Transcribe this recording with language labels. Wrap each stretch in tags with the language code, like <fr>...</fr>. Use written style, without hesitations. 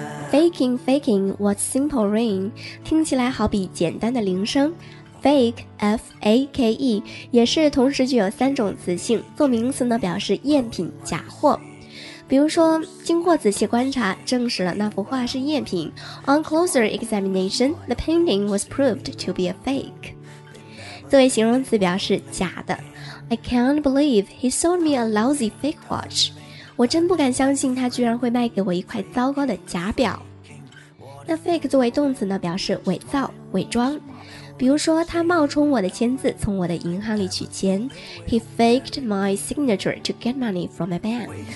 <en>Faking, faking, what simple rain?</en> <zh>听起来好比简单的铃声。Fake, F-A-K-E, 也是同时具有三种词性，做名词呢表示赝品、假货。比如说，经过仔细观察，证实了那幅画是赝品。</zh> <en>On closer examination, the painting was proved to be a fake.</en> <zh>作为形容词表示假的。</zh> <en>I can't believe he sold me a lousy fake watch.</en> <zh>我真不敢相信他居然会卖给我一块糟糕的假表。那 fake 作为动词呢，表示伪造、伪装。比如说，他冒充我的签字从我的银行里取钱。</zh> <en>He faked my signature to get money from my bank.</en>